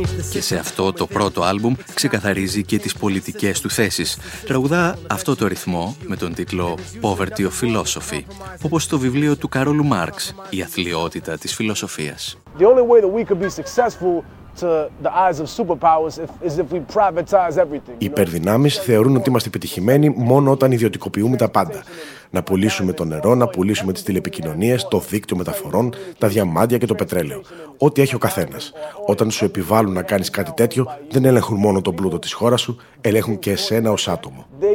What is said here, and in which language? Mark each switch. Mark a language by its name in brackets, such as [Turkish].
[Greek] Και σε αυτό το πρώτο άλμπουμ ξεκαθαρίζει και τις πολιτικές του θέσεις. Τραγουδά αυτό το ρυθμό με τον τίτλο Poverty of Philosophy, όπως το βιβλίο του Καρόλου Μάρξ, Η Αθλειότητα της Φιλοσοφίας. [English] The only way that we could be successful to the eyes of superpowers is if we privatize everything. [Greek] Οι υπερδυνάμεις θεωρούν ότι είμαστε επιτυχημένοι μόνο όταν ιδιωτικοποιούμε τα πάντα. Να πουλήσουμε το νερό, να πουλήσουμε τις τηλεπικοινωνίες, το δίκτυο μεταφορών, τα διαμάντια και το πετρέλαιο. Ό,τι έχει ο καθένας. Όταν σου επιβάλλουν να κάνεις κάτι τέτοιο, δεν ελέγχουν μόνο τον πλούτο της χώρας σου, ελέγχουν και εσένα ως άτομο.